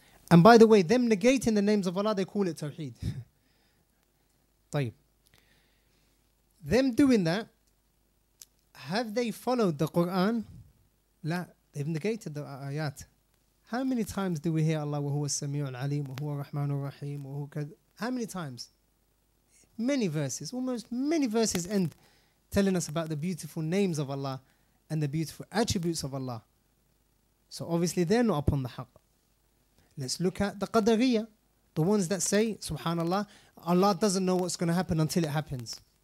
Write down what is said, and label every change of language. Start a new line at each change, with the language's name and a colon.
English: And by the way, them negating the names of Allah, they call it tawheed.
Arabic: طيب.
English: Them doing that, have they followed the Quran? لا, they've negated the ayat. How many times do we hear Allah,
Arabic: وهو السميع العليم, وهو الرحمن الرحيم, وهو كذا?
English: How many times? Many verses, almost many verses end telling us about the beautiful names of Allah and the beautiful attributes of Allah. So obviously they're not upon the haqq. Let's look at the Qadariya. The ones that say, subhanAllah, Allah doesn't know what's going to happen until it happens.